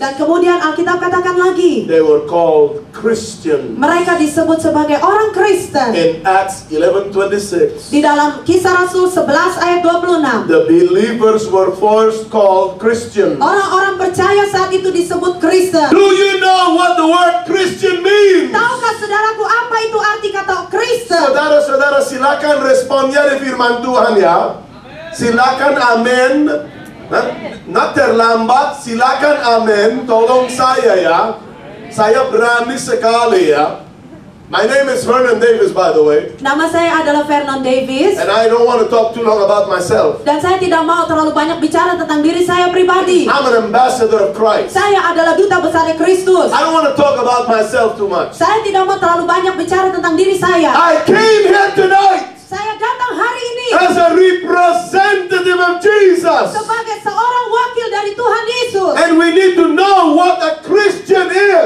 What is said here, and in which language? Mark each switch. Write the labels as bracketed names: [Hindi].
[Indonesian] Dan kemudian Alkitab katakan lagi. [English] They were called Christians. [Indonesian] Mereka disebut sebagai orang Kristen. [English] In Acts 11:26. [Indonesian] Di dalam Kisah Rasul 11 ayat 26. [English] The believers were first called Christians. [Indonesian] Orang-orang percaya saat itu disebut Kristen. [English] Do you know what the word Christian means? [Indonesian] Tahukah saudaraku apa itu arti kata Kristen? Saudara-saudara silakan responnya di firman Tuhan ya. Amen. Silakan amin. Nah, terlambat silakan amin. Tolong saya ya. Saya berani sekali ya. [English] My name is Vernon Davis, by the way. [Indonesian] Nama saya adalah Vernon Davis. [English] And I don't want to talk too long about myself. [Indonesian] Dan saya tidak mau terlalu banyak bicara tentang diri saya pribadi. [English] I'm an ambassador of Christ. [Indonesian] Saya adalah duta besar Kristus. [English] I don't want to talk about myself too much. [Indonesian] Saya tidak mau terlalu banyak bicara tentang diri saya. [English] I came here tonight. [Indonesian] Saya datang hari ini. [English] As a representative of Jesus. [Indonesian] Sebagai seorang wakil dari Tuhan Yesus. [English] And we need to know what a Christian is.